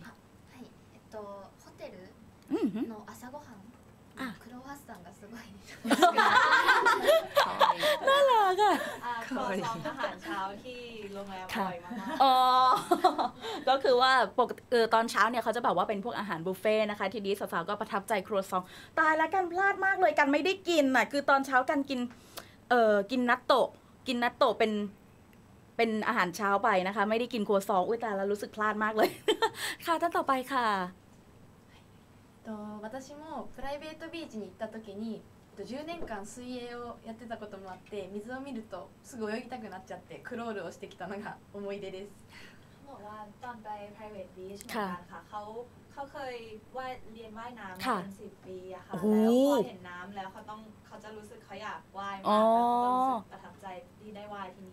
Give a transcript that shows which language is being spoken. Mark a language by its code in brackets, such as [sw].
[ja] โฮเทลの朝ごはんクロワッサンがすごい [th] น่ารักอ่ะ ครัวซองอาหารเช้าที่โรงแรมอร่อยมาก ก็คือว่าปกติตอนเช้าเนี่ยเขาจะแบบว่าเป็นพวกอาหารบุฟเฟ่ต์นะคะทีนี้สาวๆก็ประทับใจครัวซองตายแล้วกันพลาดมากเลยกันไม่ได้กินอ่ะคือตอนเช้ากันกินกินนัตโตะกินนัตโตะเป็นอาหารเช้าไปนะคะไม่ได้กินครัวซองอุ้ยตายแล้วรู้สึกพลาดมากเลยค่ะท่านต่อไปค่ะ [ja] と私もプライベートビーチに行った時に10年間水泳をやってたこともあって水を見るとすぐ泳ぎたくなっちゃってクロールをしてきたのが思い出です。もう [th] ตอนไปプライベートビーチมาค่ะเขาเคยว่าเรียนว่ายน้ำมา10ปีอะค่ะแล้วพอเห็นน้ำแล้วเขาจะรู้สึกเขาอยากว่ายมากแล้วก็รู้สึกประทับใจที่ได้ว่ายที่นี